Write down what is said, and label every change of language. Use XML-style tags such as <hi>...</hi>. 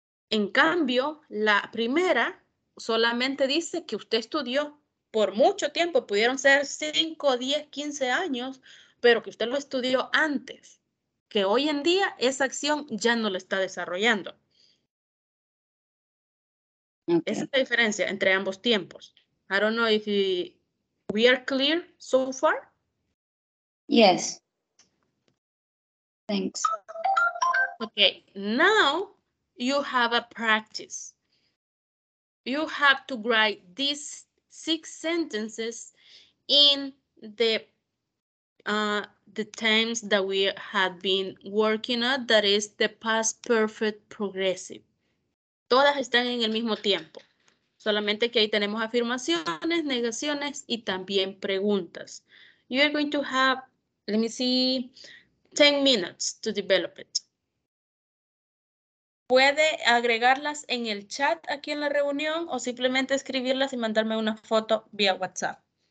<es>En cambio, la primera solamente dice que usted estudió por mucho tiempo, pudieron ser 5, 10, 15 años, pero que usted lo estudió antes, que hoy en día esa acción ya no lo está desarrollando. Okay. Esa es la diferencia entre ambos tiempos.</es> <en>I don't know if we are clear so far. Yes. Thanks. Okay, now you have a practice. You have to write these 6 sentences in the times that we have been working at, that is the past perfect progressive.</en> <es>Todas están en el mismo tiempo. Solamente que ahí tenemos afirmaciones, negaciones y también preguntas.</es> <en>You are going to have, let me see, 10 minutes to develop it.</en> <es>¿Puede agregarlas en el chat aquí en la reunión o simplemente escribirlas y mandarme una foto vía WhatsApp?</es>